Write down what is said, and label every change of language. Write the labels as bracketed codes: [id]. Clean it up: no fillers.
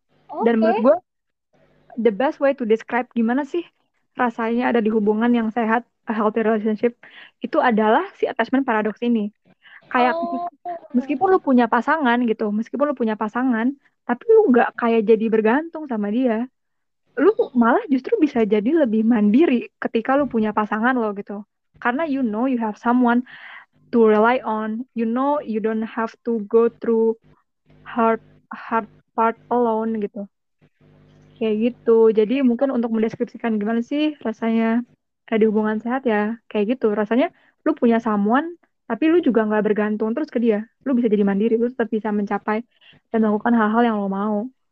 [id] Okay. Dan menurut gue, [en] the best way to describe [id] gimana sih rasanya ada di hubungan yang sehat, [en] a healthy relationship, [id] itu adalah si attachment paradox ini. Kayak meskipun lu punya pasangan gitu, meskipun lu punya pasangan, tapi lu gak kayak jadi bergantung sama dia. Lu malah justru bisa jadi lebih mandiri ketika lu punya pasangan lo gitu. Karena [en] you know you have someone to rely on. You know you don't have to go through hard part alone [id] gitu. Kayak gitu. Jadi mungkin untuk mendeskripsikan gimana sih rasanya ada hubungan sehat ya. Kayak gitu. Rasanya lu punya someone tapi lu juga gak bergantung terus ke dia. Lu bisa jadi mandiri. Lu tetap bisa mencapai dan melakukan hal-hal yang lu mau.